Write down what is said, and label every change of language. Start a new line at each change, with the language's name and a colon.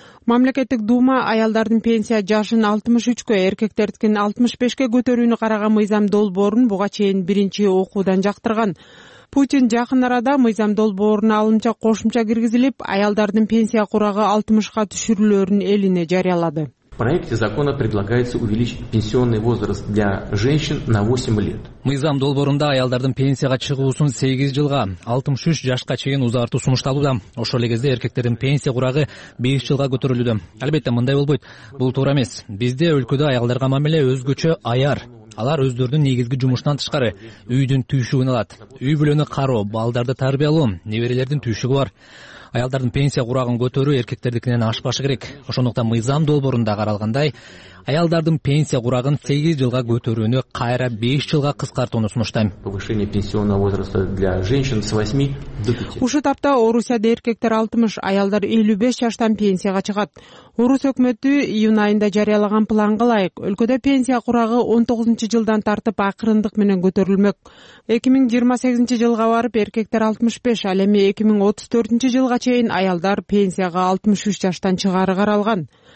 Kyrgyz: Мамлекеттик дума аялдардын пенсия жашын 63 эркектердикин 65 көтөрүүнү караган мыйзам долбоорун буга чейин биринчи окуудан жактырган. Путин жакын арада мыйзам долбооруна алымча кошумча киргизилип, аялдардын пенсия курагы 60 түшүрүлөрүн элине жарыялады.
Russian: В проекте закона предлагается увеличить пенсионный возраст для женщин на 8 лет.
Kyrgyz: Мыйзам долбоорунда аялдардын пенсияга чыгуусун 8 жылга, 63 жашка чейин узартуу сунушталууда. Ошол эле кезде эркектердин пенсия курагы 5 жылга көтөрүлүүдө. Албетте, мындай болбойт. Бул туура эмес. Бизде өлкөдө аялдарга мамиле өзгөчө аяр. Алар өздөрүнүн негизги жумушунан тышкары үйдүн түйшүгүн алат. Үй бүлөнү кароо, балдарды тарбиялоо, неберелердин түйшүгү бар. Аялдардын пенсия курагын көтөрүү эркектердикинен ашпашы керек. Ошондуктан мыйзам долбоорунда каралгандай, аялдардын пенсия курагын 8 жылга көтөрүүнү кайра 5 жылга кыскартууну сунуштайм.
Russian: Повышение пенсионного возраста для женщин с 8 до 5.
Kyrgyz: Ушул тапта Орусияда эркектер 60, аялдар 55 жаштан пенсияга чыгат. Орус өкмөтү июнь айында жарыялаган планга ылайык, өлкөдө пенсия курагы 19 жылдан тартып акырындык менен көтөрүлмөк. 2028 жылга барып эркектер 65, ал эми 2034 жылга чейин аялдар пенсияга 63 жаштан чыгары каралган.